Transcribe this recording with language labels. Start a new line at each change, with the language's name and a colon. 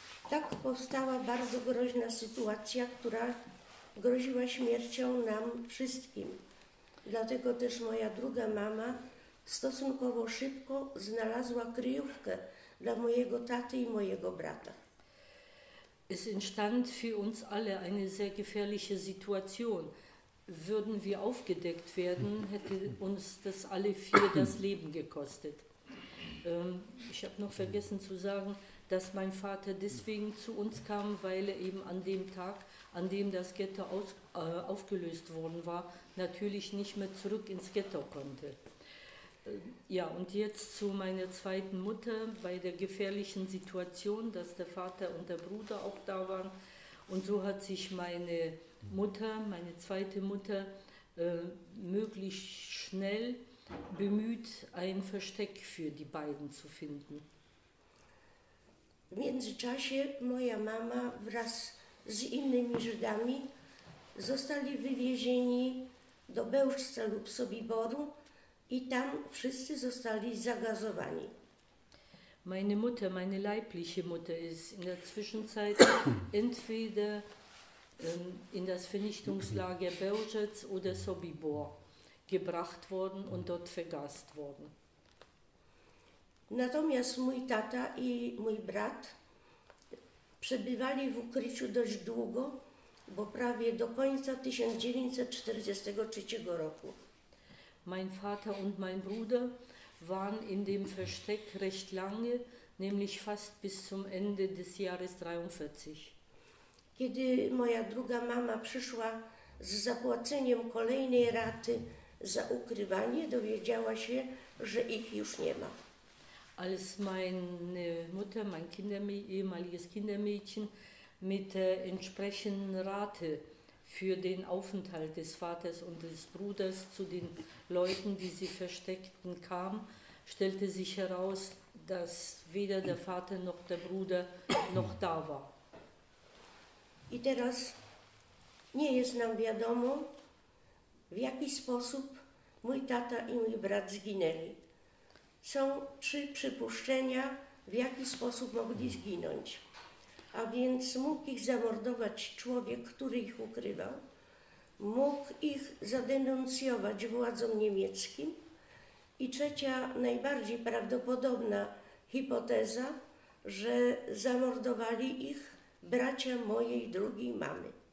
Polish: Tak powstała bardzo groźna sytuacja, która groziła śmiercią nam wszystkim. Dlatego też moja druga mama stosunkowo szybko znalazła kryjówkę dla mojego taty i mojego brata.
German: Es entstand für uns alle eine sehr gefährliche Situation. Würden wir aufgedeckt werden, hätte uns das alle vier das Leben gekostet. Ich habe noch vergessen zu sagen, dass mein Vater deswegen zu uns kam, weil er eben an dem Tag, an dem das Ghetto aufgelöst worden war, natürlich nicht mehr zurück ins Ghetto konnte. Ja, und jetzt zu meiner zweiten Mutter bei der gefährlichen Situation, dass der Vater und der Bruder auch da waren. Und so hat sich meine Mutter, meine zweite Mutter, möglichst schnell bemüht, ein Versteck für die beiden zu finden.
Polish: W międzyczasie moja mama wraz z innymi Żydami zostali wywiezieni do Bełżca lub Sobiboru i tam wszyscy zostali zagazowani.
German: Meine Mutter, meine leibliche Mutter ist in der Zwischenzeit entweder in das Vernichtungslager Bełżec oder Sobibor gebracht worden und dort vergast worden.
Polish: Natomiast mój tata i mój brat przebywali w ukryciu dość długo, bo prawie do końca 1943 roku.
German: Mein Vater und mein Bruder waren in dem Versteck recht lange, nämlich fast bis zum Ende des Jahres 43.
Polish: Kiedy moja druga mama przyszła z zapłaceniem kolejnej raty za ukrywanie, dowiedziała się, że ich już nie ma.
German: Als meine Mutter, mein ehemaliges Kindermädchen, mit der entsprechenden Rate für den Aufenthalt des Vaters und des Bruders zu den Leuten, die sie versteckten, kam, stellte sich heraus, dass weder der Vater noch der Bruder noch da war.
Polish: I teraz nie jest nam wiadomo, w jaki sposób mój tata i mój brat zginęli. Są trzy przypuszczenia, w jaki sposób mogli zginąć. A więc mógł ich zamordować człowiek, który ich ukrywał, mógł ich zadenuncjować władzom niemieckim i trzecia, najbardziej prawdopodobna hipoteza, że zamordowali ich bracia mojej drugiej mamy.